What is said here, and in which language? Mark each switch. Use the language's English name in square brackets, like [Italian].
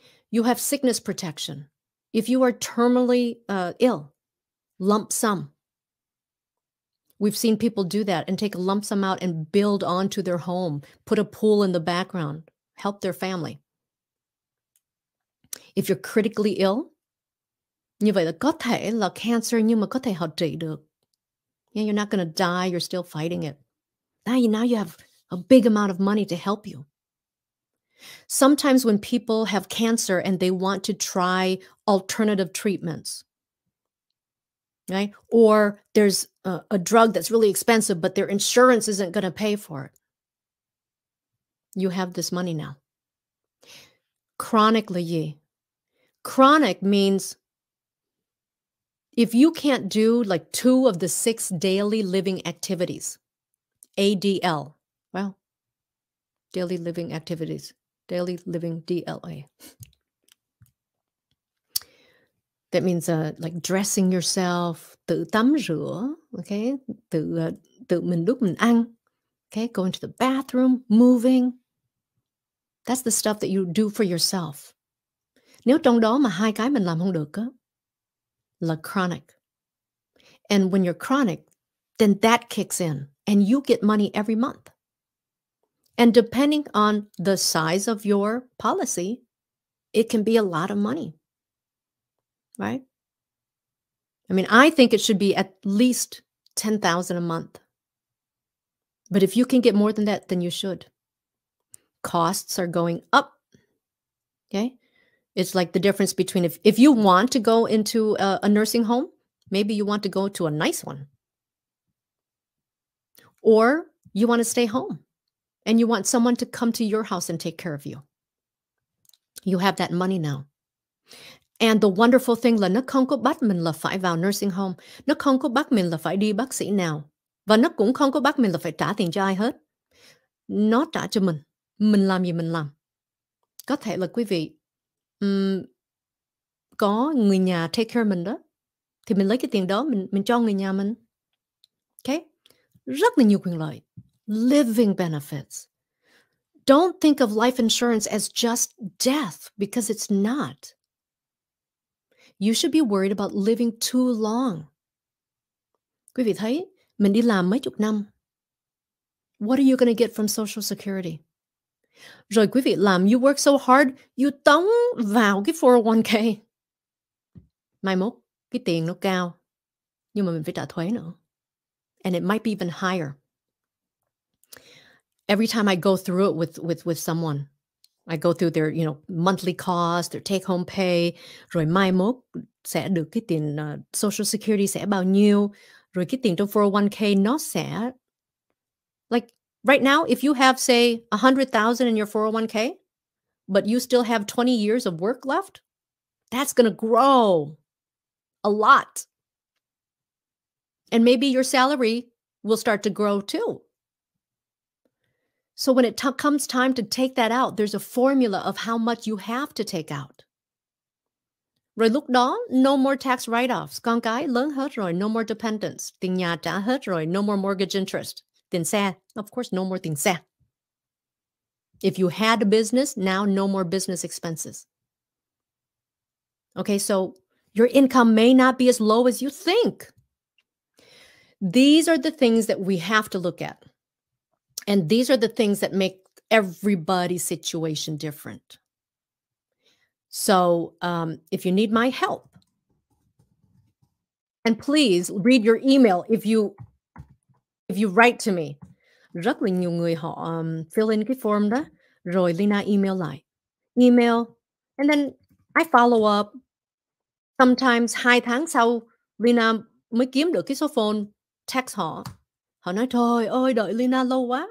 [English] You have sickness protection. If you are terminally ill, lump sum. We've seen people do that and take a lump sum out and build onto their home, put a pool in the background, help their family. If you're critically ill, [Vietnamese] như vậy là có thể là cancer nhưng mà có thể họ trị được. [English] Yeah, you're not going to die. You're still fighting it. Now you have a big amount of money to help you. Sometimes when people have cancer and they want to try alternative treatments, right? Or there's a drug that's really expensive, but their insurance isn't going to pay for it. You have this money now. Chronically. Chronic means if you can't do like two of the six daily living activities, ADL, well, daily living activities, daily living DLA. That means like dressing yourself, [Vietnamese] tự tắm rửa, [English] okay? [Vietnamese] Tự mình lúc mình ăn, [English] okay? Going to the bathroom, moving. That's the stuff that you do for yourself. [Vietnamese] Nếu trong đó mà hai cái mình làm không được á, là chronic. [English] And when you're chronic, then that kicks in and you get money every month. And depending on the size of your policy, it can be a lot of money. Right? I mean, I think it should be at least $10,000 a month. But if you can get more than that, then you should. Costs are going up. Okay? It's like the difference between if you want to go into a nursing home, maybe you want to go to a nice one. Or you want to stay home and you want someone to come to your house and take care of you. You have that money now. And the wonderful thing [Vietnamese] là nó không có bắt mình là phải vào nursing home. Nó không có bắt mình là phải đi bác sĩ nào. Và nó cũng không có bắt mình là phải trả tiền cho ai hết. Nó trả cho mình. Mình làm gì mình làm. Có thể là quý vị có người nhà [English] take care of [Vietnamese] mình đó. Thì mình lấy cái tiền đó, mình cho người nhà mình. Okay? Rất là nhiều quyền lợi. Living benefits. [English] Don't think of life insurance as just death, because it's not. You should be worried about living too long. [Vietnamese] Quý vị thấy, mình đi làm mấy chục năm. [English] What are you going to get from Social Security? [Vietnamese] Rồi quý vị làm, [English] you work so hard, [Vietnamese] you tống vào cái 401k. Mai mốt, cái tiền nó cao, nhưng mà mình phải trả thuế nữa. [English] And it might be even higher. Every time I go through it with someone, I go through their, you know, monthly cost, their take-home pay. [Vietnamese] Rồi mai mốt sẽ được cái tiền Social Security sẽ bao nhiêu. Rồi cái tiền trong 401k nó sẽ... [English] Like, right now, if you have, say, $100,000 in your 401k, but you still have 20 years of work left, that's going to grow a lot. And maybe your salary will start to grow, too. So when it comes time to take that out, there's a formula of how much you have to take out. [Vietnamese] Rồi lúc đó, [English] no more tax write-offs. [Vietnamese] Con cái lớn hết rồi, [English] no more dependents. [Vietnamese] Tiền nhà trả hết rồi, [English] no more mortgage interest. [Vietnamese] Tiền xe, [English] of course, no more [Vietnamese] tiền xe. [English] If you had a business, now no more business expenses. Okay, so your income may not be as low as you think. These are the things that we have to look at. And these are the things that make everybody's situation different. So if you need my help, and please read your email if you write to me. [Vietnamese] Rất là nhiều người họ fill in cái form đó, rồi Leyna email lại. Email, [English] and then I follow up. Sometimes [Vietnamese] 2 tháng sau, Leyna mới kiếm được cái số phone, text họ. Họ nói, trời ơi, đợi Leyna lâu quá.